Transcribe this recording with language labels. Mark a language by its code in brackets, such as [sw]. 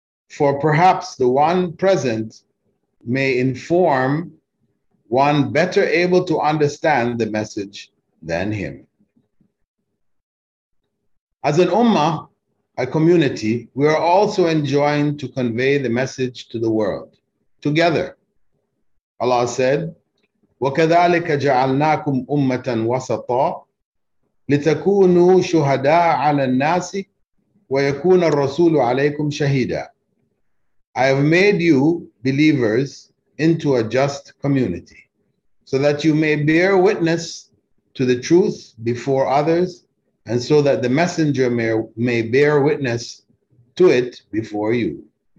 [en] For perhaps the one present may inform one better able to understand the message than him. As an ummah, a community, we are also enjoined to convey the message to the world together. [ar] Allah said, وَكَذَلِكَ جَعَلْنَاكُمْ أُمَّةً وَسَطًا لِتَكُونُوا شُهَدَاءَ عَلَى النَّاسِ وَيَكُونَ الرَّسُولُ عَلَيْكُمْ شَهِيدًا. [en] I have made you believers into a just community, so that you may bear witness to the truth before others, and so that the messenger may bear witness to it before you.